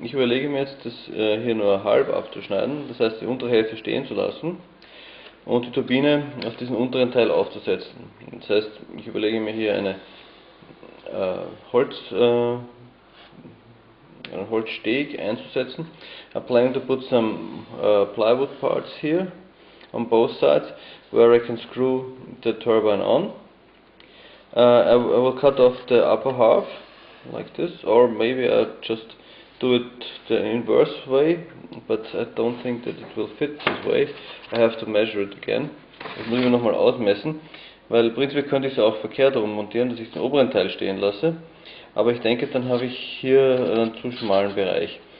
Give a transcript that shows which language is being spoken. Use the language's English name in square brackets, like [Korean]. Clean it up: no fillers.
[German] Ich überlege mir jetzt, das hier nur halb abzuschneiden, das heißt die untere Hälfte stehen zu lassen und die Turbine auf diesen unteren Teil aufzusetzen. Das heißt, ich überlege mir hier eine einen Holzsteg einzusetzen. [English] I plan to put some plywood parts here on both sides, where I can screw the turbine on. I will cut off the upper half like this, or maybe I just do it the inverse way, but I don't think that it will fit this way. I have to measure it again. [German] Das muss ich nochmal ausmessen, weil prinzipiell könnte ich es auch verkehrt herum montieren, dass ich den oberen Teil stehen lasse. Aber ich denke, dann habe ich hier einen zu schmalen Bereich.